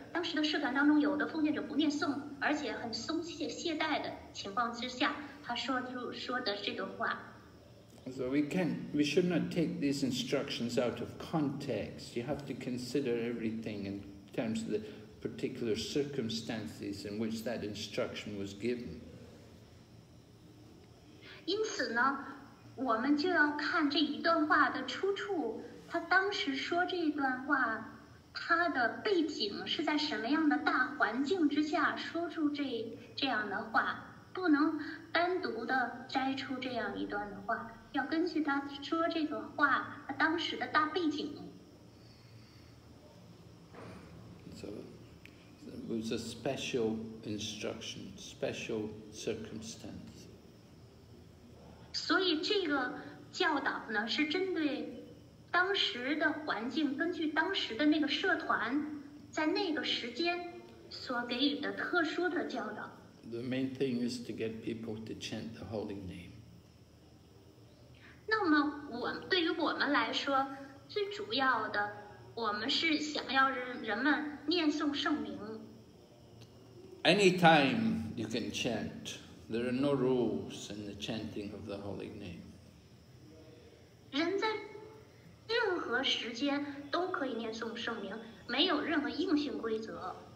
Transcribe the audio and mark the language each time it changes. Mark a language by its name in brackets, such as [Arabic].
[Chinese] 当时的社团当中，有的奉献者不念诵，而且很松懈懈怠的情况之下，他说的这个话。 [English] So we should not take these instructions out of context. You have to consider everything in terms of the particular circumstances in which that instruction was given. [Chinese] 因此呢，我们就要看这一段话的出处，他当时说这一段话。他的背景是在什么样的大环境之下说出这样的话，不能单独的摘出这样一段的话，要根据他说这个话他当时的大背景。 [English] So it was a special instruction, special circumstance. [Chinese] 所以这个教导呢是针对当时的环境，根据当时的那个社团在那个时间所给予的特殊的教导。 [English] The main thing is to get people to chant the holy name. [Chinese] 那么我对于我们来说最主要的，我们是想要人们念诵圣名。 [English] Anytime you can chant, there are no rules in the chanting of the holy name. [Chinese] 人在任何时间都可以念诵圣名，没有任何硬性规则。